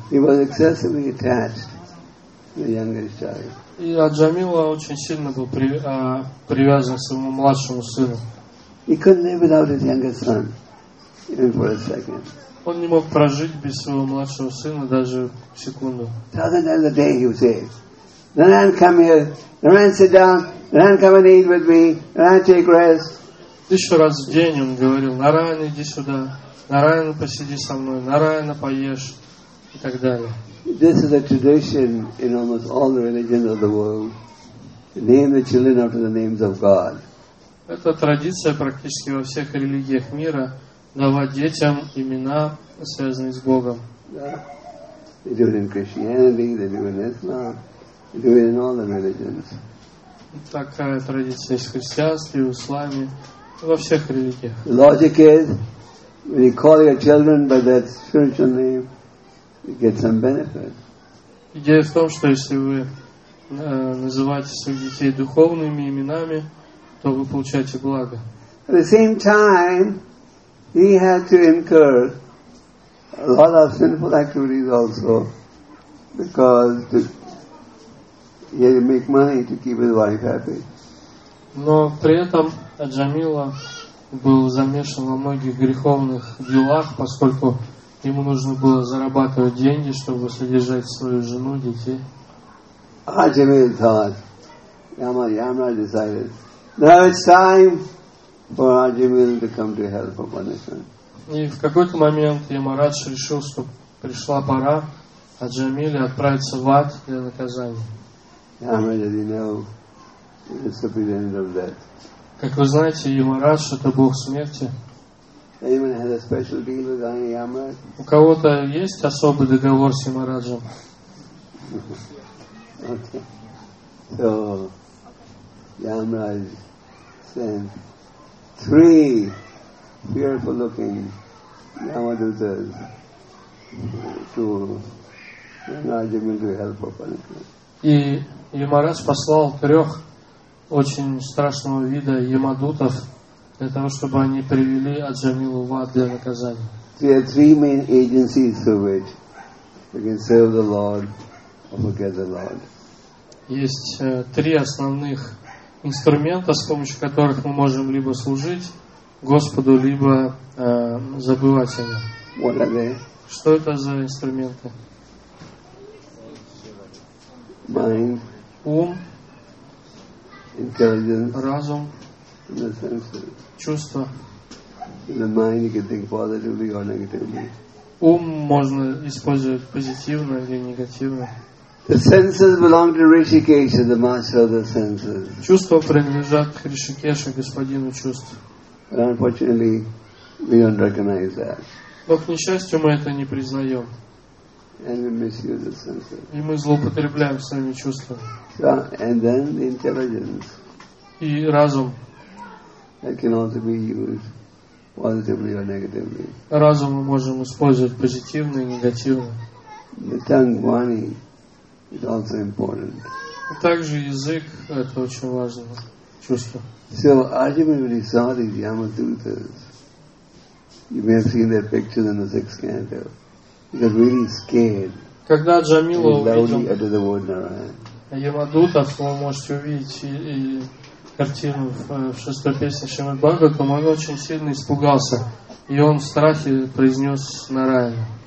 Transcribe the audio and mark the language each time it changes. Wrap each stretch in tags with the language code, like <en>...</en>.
<en>He was excessively attached. The youngest child.</en> <ru>И Аджамила очень сильно был привязан к своему младшему сыну.</ru> <en>He couldn't live without his youngest son, even for a second.</en> <ru>Он не мог прожить без своего младшего сына даже секунду.</ru> <en>So then the other day he would say, "Naran, come here. Naran, sit down. Naran, come and eat with me. Naran, take rest."</en> <ru>Еще раз в день он говорил: "Наран, иди сюда. Наран, посиди со мной. Наран, поешь и так далее."</ru> <en>This is a tradition in almost all the religions of the world. Name the children after the names of God.</en> <ru>Это традиция практически во всех религиях мира давать детям имена, связанные с Богом.</ru> <en>They do it in Christianity. They do it in Islam. They do it in all the religions.</en> <ru>Такая традиция в христианстве, в исламе, во всех религиях.</ru> <en>The logic is, when you call your children by that spiritual name. You get some benefit.</en> <ru>Идея в том, что если вы называть своих детей духовными именами, то вы получаете благо.</ru> <en>At the same time, we have to incur a lot of sinful activities also, because he had to make money to keep his wife happy.</en> <ru>Но при этом Аджамила был замешан во многих греховных делах, поскольку ему нужно было зарабатывать деньги, чтобы содержать свою жену, детей.</ru> <en>Аджамила thought, Yamaraj decided, now it's time for Аджамила to come to hell for punishment.</en> <ru>И в какой-то момент Ямарадж решил, что пришла пора Аджамиле отправиться в ад для наказания.</ru> <en>Ямарадж, as you know, is the president of death.</en> <ru>Как вы знаете, Ямарадж — это бог смерти.</ru> <en>Anyone has a special deal with Ямарадж?</en> <ru>У кого-то есть особый договор с Ямараджем?</ru> <en>Okay. So, Ямарадж sent three fearful-looking Yamadutas to Ajamil to help for punishment.</en> <ru>И Ямарадж послал трех очень страшного вида ямадутов для того, чтобы они привели Аджамилу в ад для наказания.</ru> <en>There are three main agencies through which we can serve the Lord or forget the Lord.</en> <ru>Есть три основных инструмента, с помощью которых мы можем либо служить Господу, либо забывать о нем.</ru> <en>What are they?</en> <ru>Что это за инструменты?</ru> <en>Mind.</en> <ru>Ум.</ru> <en>Intelligence,</en> <ru>разум,</ru> <en>in the senses.</en> <ru>Чувства.</ru> <en>In the mind, you can think positively or negatively.</en> <ru>Ум можно использовать позитивно или негативно.</ru> <en>The senses belong to Rishikesha, the master of the senses.</en> <ru>Чувства принадлежат Ришикеше, господину чувств.</ru> <en>But unfortunately, we don't recognize that.</en> <ru>Но, к несчастью, мы это не признаем.</ru> <en>And we misuse the senses.</en> <ru>И мы злоупотребляем своими чувствами.</ru> <en>So, and then the intelligence.</en> <ru>И разум.</ru> <en>That can also be used positively or negatively.</en> <ru>Разум мы можем использовать позитивно и негативно.</ru> <en>The tongue, vani, is also important.</en> <ru>И также язык – это очень важное чувство.</ru> <en>So, Arjuna, when he saw these Yamadutas, you may have seen their pictures in the sixth canto. He was really scared.</en> <ru>Когда Джамила увидел Ямадутов, вы можете увидеть и картину в шестой песне Шримад Бхагаватам, он очень сильно испугался, и он в страхе произнес Нараяна.</ru>